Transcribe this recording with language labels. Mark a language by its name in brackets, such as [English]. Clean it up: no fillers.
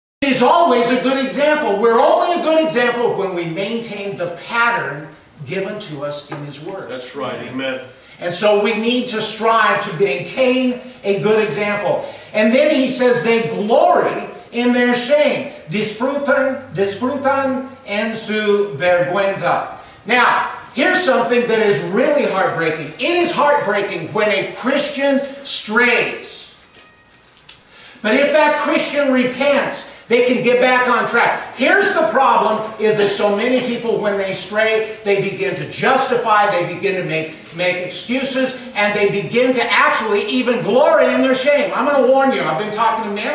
[English] He's always a good example. We're only a good example when we maintain the pattern given to us in his word. That's right. Amen. And so we need to strive to maintain a good example. And then he says they glory in their shame. [Spanish] Disfrutan en su vergüenza. [English] Now, here's something that is really heartbreaking. It is heartbreaking when a Christian strays. But if that Christian repents, they can get back on track. Here's the problem, is that so many people, when they stray, they begin to justify, they begin to make excuses, and they begin to actually even glory in their shame. I'm going to warn you. I've been talking to men.